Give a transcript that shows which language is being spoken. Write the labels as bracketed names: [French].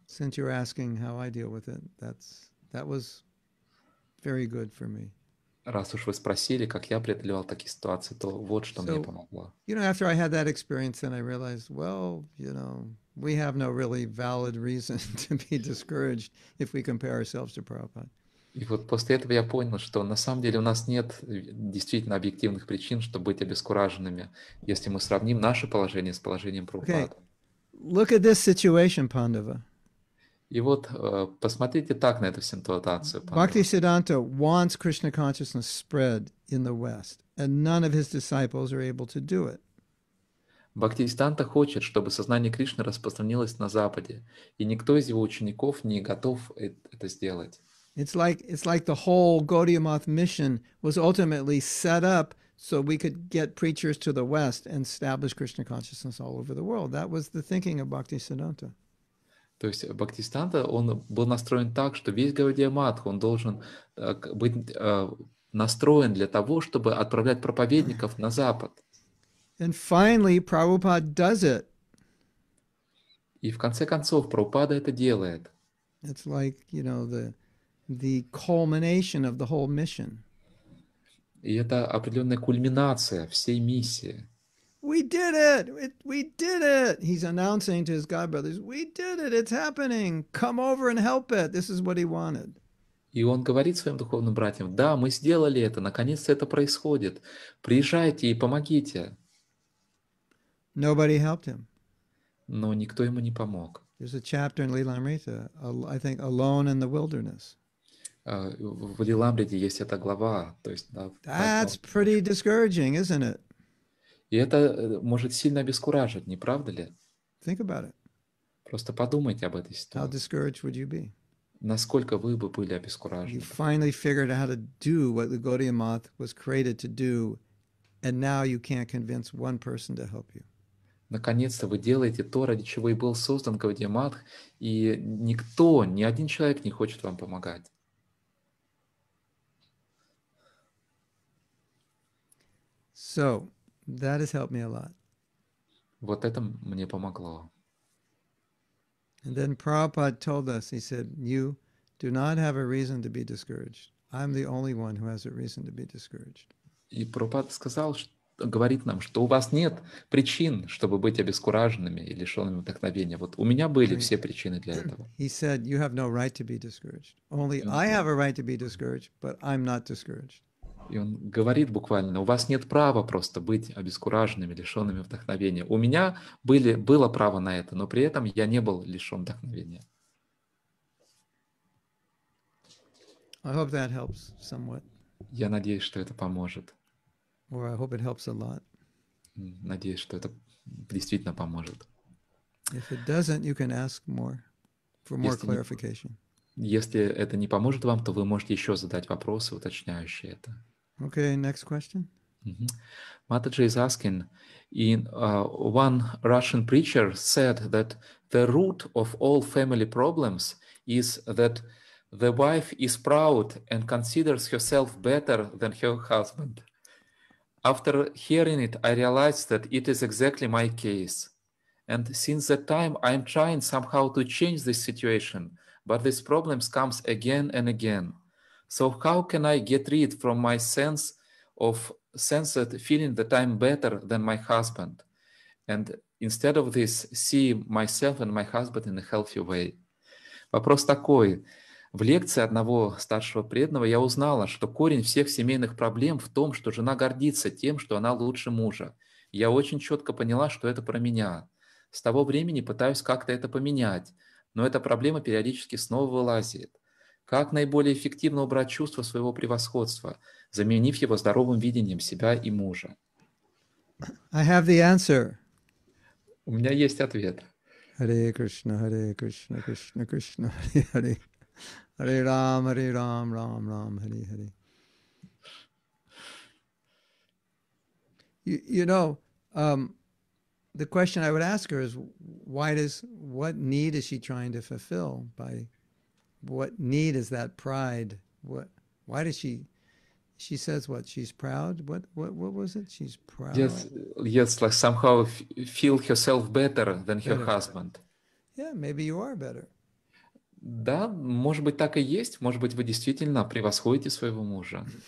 [English] Since you're asking how I deal with it, that was very good for me. [Russian] Раз уж вы спросили, как я преодолевал такие ситуации, то вот что мне помогло. [English] You know, after I had that experience, then I realized, well, you know, we have no really valid reason to be discouraged if we compare ourselves to Prabhupada. [Russian] И вот после этого я понял, что на самом деле у нас нет действительно объективных причин, чтобы быть обескураженными, если мы сравним наше положение с положением Прабхупады. [English] Okay. Look at this situation, Pandava. [Russian] И вот посмотрите так на эту ситуацию, Пандава. [English] Бхактисиддханта wants Krishna consciousness spread in the West, and none of his disciples are able to do it. [Russian] Бхактисиддханта хочет, чтобы сознание Кришны распространилось на Западе, и никто из его учеников не готов это сделать. [English] It's like the whole Gaudiya Math mission was ultimately set up so we could get preachers to the West and establish Krishna consciousness all over the world. That was the thinking of Bhaktisiddhanta. [Russian] То есть Бхактисиддханта, он был настроен так, что весь Gaudiya Math, он должен быть настроен для того, чтобы отправлять проповедников на Запад. [English] And finally, Prabhupada does it. [Russian] И в конце концов, Прабхупада это делает. [English] It's like, you know, the culmination of the whole mission. [Russian] И это определенная кульминация всей миссии. [English] We did it! We did it! He's announcing to his godbrothers, we did it! It's happening! Come over and help it! This is what he wanted. [Russian] И он говорит своим духовным братьям, да, мы сделали это, наконец-то это происходит. Приезжайте и помогите. [English] Nobody helped him. [Russian] Но никто ему не помог. [English] There's a chapter in Lilamrita, I think, Alone in the Wilderness. [Russian] В Лиламриде есть эта глава, то есть да. [English] That's pretty discouraging, isn't it? [Russian] И это может сильно обескуражить, не правда ли? [English] Think about it. [Russian] Просто подумайте об этой ситуации. [English] How discouraged would you be? [Russian] Насколько вы бы были обескуражены? [English] You finally figured out how to do what the Gaudiya Math was created to do, and now you can't convince one person to help you. [Russian] Наконец-то вы делаете то, ради чего и был создан Gaudiya Math, и никто, ни один человек не хочет вам помогать. [English] So, that has helped me a lot. [Russian] Вот это мне помогло. [English] And then Prabhupada told us, he said, you do not have a reason to be discouraged. I'm the only one who has a reason to be discouraged. [Russian] И Прабхупада сказал, говорит нам, что у вас нет причин, чтобы быть обескураженными и лишенными вдохновения. Вот у меня были все причины для этого. [English] He said, you have no right to be discouraged. Only I have a right to be discouraged, but I'm not discouraged. [Russian] И он говорит буквально, у вас нет права просто быть обескураженными, лишенными вдохновения. У меня было право на это, но при этом я не был лишен вдохновения. [English] I hope that helps somewhat. [Russian] Я надеюсь, что это поможет. [English] Or I hope it helps a lot. [Russian] Надеюсь, что это действительно поможет. [English] If it doesn't, you can ask more for more clarification. [Russian] Если это не поможет вам, то вы можете еще задать вопросы, уточняющие это. [English] Okay, next question. Mataji is asking, one Russian preacher said that the root of all family problems is that the wife is proud and considers herself better than her husband. After hearing it, I realized that it is exactly my case. And since that time, I am trying somehow to change this situation, but this problem comes again and again. So how can I get rid from my sense that feeling that I'm better than my husband, and instead of this, see myself and my husband in a healthy way? [Russian] Вопрос такой. В лекции одного старшего преданного я узнала, что корень всех семейных проблем в том, что жена гордится тем, что она лучше мужа. Я очень четко поняла, что это про меня. С того времени пытаюсь как-то это поменять, но эта проблема периодически снова вылазит. Как наиболее эффективно убрать чувство своего превосходства, заменив его здоровым видением себя и мужа? [English] I have the answer. [Russian] У меня есть ответ. [Sanskrit] Hare Krishna, Hare Krishna, Krishna Krishna, Hare Hare. Hare Ram, Hare Ram, Ram Ram, Hare Hare. [English] The question I would ask her is, what need is she trying to fulfill by... What need is that pride? Why does she says what? She's proud? What was it? She's proud. Yes, like somehow feel herself better than her husband. Yeah, maybe you are better. [Russian] Да, может быть, так и есть. Может быть, вы действительно превосходите своего мужа.